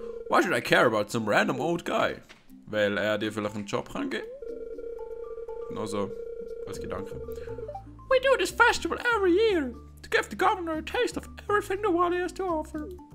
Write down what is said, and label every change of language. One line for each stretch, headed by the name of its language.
English: Why should I care about some random old guy?
German: Weil er dir vielleicht einen Job kann geben? Also, als Gedanke.
English: We do this festival every year, to give the governor a taste of everything the Wally has to offer.